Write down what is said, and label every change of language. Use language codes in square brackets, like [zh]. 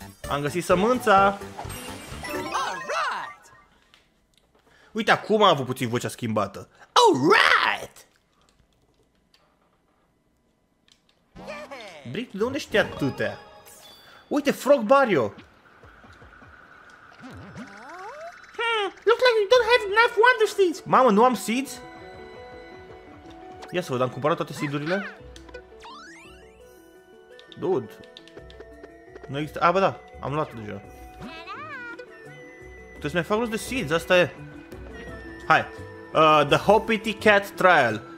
[ro] Am găsit sămânța! Uite, acum a avut puțin vocea schimbată. [en] Alright! [ro] Brick, de unde știi atâtea? Uite, Frog Barrio! [en] Looks like you don't have enough wonder seeds! [ro] Mamă, nu am seeds? Ia să văd, am cumpărat toate seedurile? Dude! Nu există... A, bă, da, am luat deja. Trebuie să mai fac rost de seeds, asta e. Hai, the Hoppity Cat Trial.